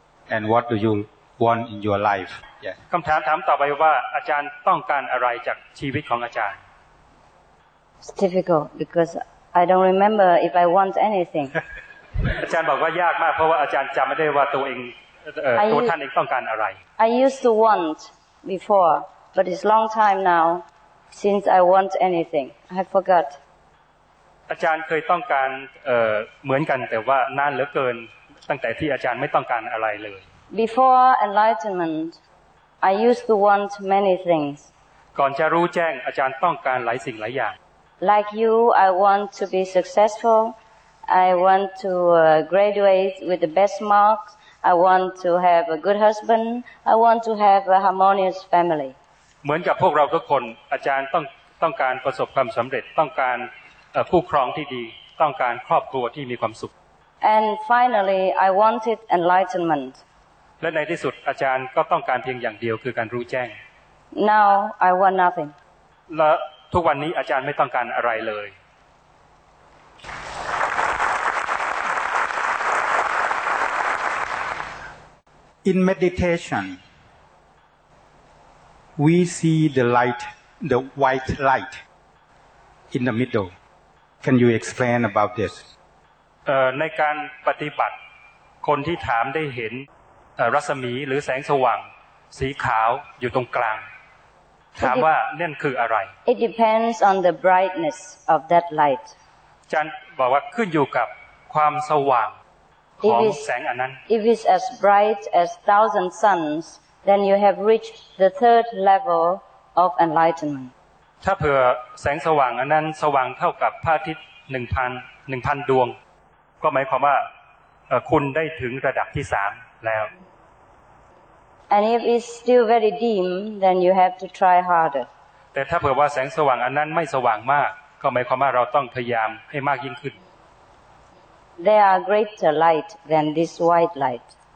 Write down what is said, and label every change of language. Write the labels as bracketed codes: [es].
[en] And what do you want in your life? Yes. [th] คำถามถามต่อไปว่าอาจารย์ต้องการอะไรจากชีวิตของอาจารย์ [en] It's difficult because I don't remember if I want anything. [th] อาจารย์บอกว่ายากมากเพราะว่าอาจารย์จำไม่ได้ว่าตัวเองตัวท่านเองต้องการอะไร [en] I used to want before but it's long time now since I want anything I forgot. [th] อาจารย์เคยต้องการเหมือนกันแต่ว่านานเหลือเกินตั้งแต่ที่อาจารย์ไม่ต้องการอะไรเลย [en] Before enlightenment I used to want many things [th] ก่อนจะรู้แจ้งอาจารย์ต้องการหลายสิ่งหลายอย่าง [en] Like you I want to be successful I want to graduate with the best marks I want to have a good husband I want to have a harmonious family [th] เหมือนกับพวกเราทุกคนอาจารย์ต้องการประสบความสำเร็จต้องการผู้ครองที่ดีต้องการครอบครัวที่มีความสุข [en] And finally I wanted enlightenment [th] และในที่สุดอาจารย์ก็ต้องการเพียงอย่างเดียวคือการรู้แจ้ง [en] Now I want nothing [th] และทุกวันนี้อาจารย์ไม่ต้องการอะไรเลย [en] In meditation we see the light the white light in the middleCan you explain about this? [th] ในการปฏิบัติคนที่ถามได้เห็นรัศมีหรือแสงสว่างสีขาวอยู่ตรงกลางถามว่านั่นคืออะไร [en] It depends on the brightness of that light. [th] จันบอกว่าขึ้นอยู่กับความสว่างของแสงอันนั้น [en] If it's as bright as 1,000 suns, then you have reached the third level of enlightenment. [th] ถ้าเผื่อแสงสว่างอันนั้นสว่างเท่ากับพระอาทิตย์1,000ดวงก็หมายความว่าคุณได้ถึงระดับที่3แล้ว [en] And if it's still very dim then you have to try harder [th] แต่ถ้าเผื่อว่าแสงสว่างอันนั้นไม่สว่างมากก็หมายความว่าเราต้องพยายามให้มากยิ่งขึ้น [en] There are greater light than this white light